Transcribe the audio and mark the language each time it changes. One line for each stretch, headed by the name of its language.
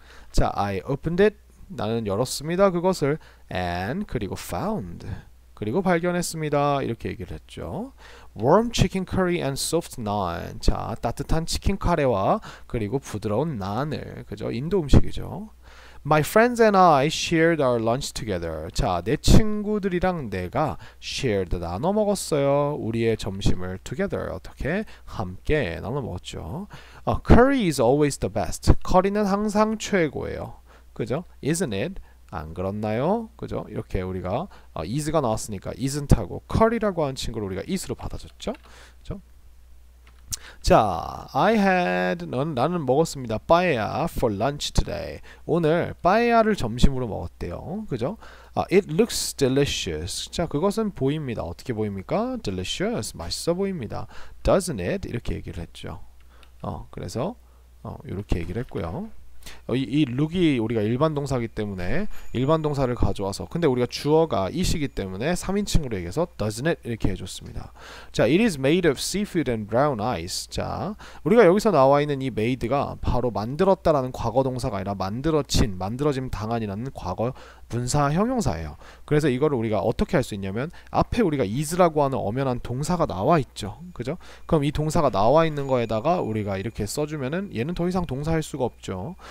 English: 자, I opened it.
Korean: 나는 열었습니다. 그것을
English: and
Korean: 그리고
English: found.
Korean: 그리고 발견했습니다. 이렇게 얘기를 했죠.
English: Warm chicken curry and soft naan.
Korean: 자, 따뜻한 치킨 카레와 그리고 부드러운 naan을. 그죠? 인도 음식이죠.
English: My friends and I shared our lunch together.
Korean: 자, 내 친구들이랑 내가 shared 나눠 먹었어요. 우리의 점심을 together 어떻게 함께 나눠 먹었죠.
English: Curry is always the best.
Korean: 커리는 항상 최고예요. 그죠?
English: Isn't it?
Korean: 안 그렇나요? 그죠? 이렇게 우리가 is가 나왔으니까 isn't하고 curry라고 한 친구를 우리가 is로 받아줬죠? 그죠?
English: 자, I had
Korean: 나는 먹었습니다.
English: paella for lunch today.
Korean: 오늘 paella를 점심으로 먹었대요. 그죠?
English: It looks delicious.
Korean: 자, 그것은 보입니다. 어떻게 보입니까? Delicious. 맛있어 보입니다.
English: Doesn't it?
Korean: 이렇게 얘기를 했죠. 그래서 이렇게 얘기를 했고요. 이 룩이 우리가 일반 동사이기 때문에 일반 동사를 가져와서, 근데 우리가 주어가 is이기 때문에 3인칭으로 얘기해서 doesn't it 이렇게 해줬습니다.
English: 자, it is made of seafood and brown eyes.
Korean: 자, 우리가 여기서 나와 있는 이 made가 바로 만들었다라는 과거 동사가 아니라 만들어진, 만들어짐 당한이라는 과거 분사 형용사예요. 그래서 이거를 우리가 어떻게 할수 있냐면, 앞에 우리가 is라고 하는 엄연한 동사가 나와 있죠. 그죠? 그럼 이 동사가 나와 있는 거에다가 우리가 이렇게 써주면은 얘는 더 이상 동사일 수가 없죠.